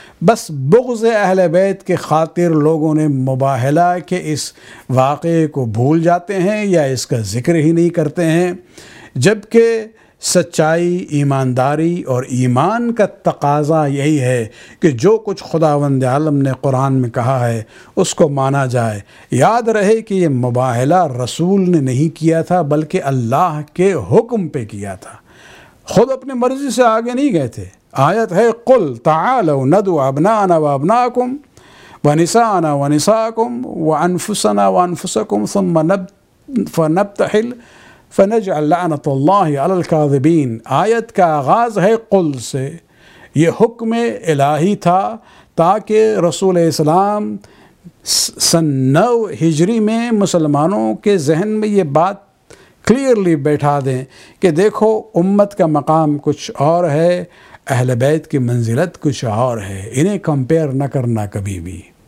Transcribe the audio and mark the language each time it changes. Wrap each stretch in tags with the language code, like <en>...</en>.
<ur>بس بغض اہل بیت کے خاطر لوگوں نے مباہلہ کے اس واقعے کو بھول جاتے ہیں یا اس کا ذکر ہی نہیں کرتے ہیں، جبکہ سچائی، ایمانداری اور ایمان کا تقاضا یہی ہے کہ جو کچھ خداوند عالم نے قرآن میں کہا ہے اس کو مانا جائے. یاد رہے کہ یہ مباہلہ رسول نے نہیں کیا تھا بلکہ اللہ کے حکم پہ کیا تھا، خود اپنے مرضی سے آگے نہیں گئے تھے. آیت ہے</ur> <ar>قل تعالوا ندعو ابناءنا وابناءکم ونساءنا ونساءکم وانفسنا وانفسکم ثم فنبتحل فنجعل لعنة الله على الكاذبين.</ar> <ur>آیت کا آغاز ہے قل سے، یہ حکم الہی تھا تاکہ رسول اسلام سن 9 ہجری میں مسلمانوں کے ذہن میں یہ بات کلیئرلی بیٹھا دیں کہ دیکھو امت کا مقام کچھ اور ہے، اہل بیت کی منزلت کچھ اور ہے، انہیں کمپیئر نہ کرنا کبھی بھی.</ur>